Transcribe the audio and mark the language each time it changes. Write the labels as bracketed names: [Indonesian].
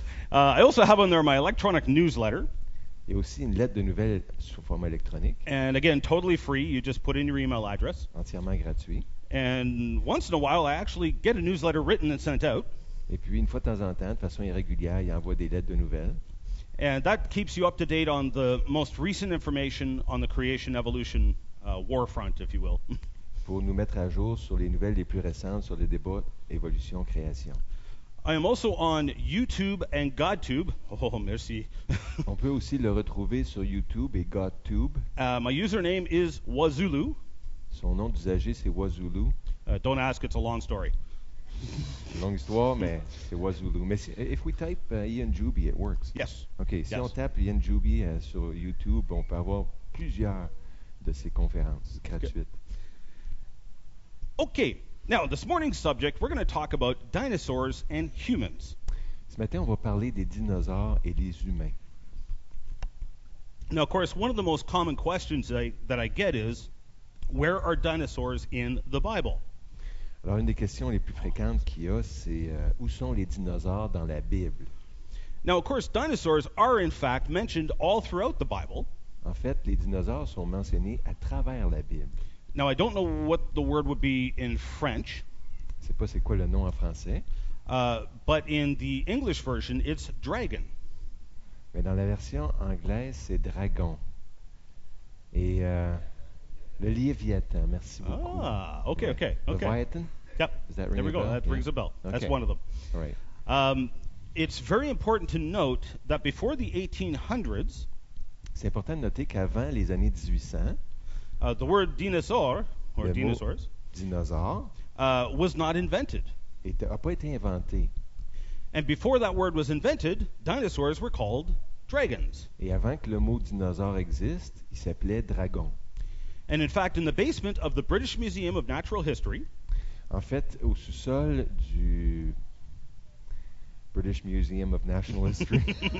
[English] I also have on there my electronic newsletter. [French] Il y a aussi une lettre de nouvelles sous forme électronique. [English] And again, totally free. You just put in your email address. [French] Entièrement gratuit. [English] And once in a while, I actually get a newsletter written and sent out. [French] Et puis, une fois de temps en temps, de façon irrégulière, il envoie des lettres de nouvelles. [English] And that keeps you up to date on the most recent information on the creation evolution war front, if you will. [French] Pour nous mettre à jour sur les nouvelles les plus récentes sur les débats évolution création. [English] I am also on YouTube and GodTube. [French] Oh, merci. On peut aussi le retrouver sur YouTube et GodTube. [English] My username is Wazulu. [French] Son nom d'usager c'est Wazulu. [English] Don't ask, it's a long story. [French] Longue histoire, mais c'est Wazulu. Mais [English] if we type Ian Juby, it works. Yes. Okay. Yes. [French] Si on tape Ian Juby sur YouTube, on peut avoir plusieurs de ses conférences gratuites. [English] Okay. Now, this morning's subject, we're going to talk about dinosaurs and humans. [French] Ce matin, on va parler des dinosaures et des humains. [English] Now, of course, one of the most common questions that I get is, where are dinosaurs in the Bible? [French] Alors, une des questions les plus fréquentes qu'il y a, c'est où sont les dinosaures dans la Bible? [English] Now, of course, dinosaurs are in fact mentioned all throughout the Bible. [French] En fait, les dinosaures sont mentionnés à travers la Bible. [English] Now, I don't know what the word would be in French. [French] Je sais pas c'est quoi le nom en français. [English] But in the English version, it's dragon. [French] Mais dans la version anglaise, c'est dragon. Et le Léviathan, merci beaucoup. [English] Ah, okay, okay. Leviathan? Yep. Does that ring there we a go. Bell? That rings a bell. Okay. That's one of them. All right. It's very important to note that before the 1800s, [French] c'est important de noter qu'avant les années 1800, [English] The word dinosaur, or dinosaurs, [French] dinosaure [English] was not invented. [French] A pas été inventé. [English] And before that word was invented, dinosaurs were called dragons. [French] Et avant que le mot dinosaure existe, il s'appelait dragon. [English] And in fact, in the basement of the British Museum of Natural History, [French] en fait, au sous-sol du British Museum of Natural History,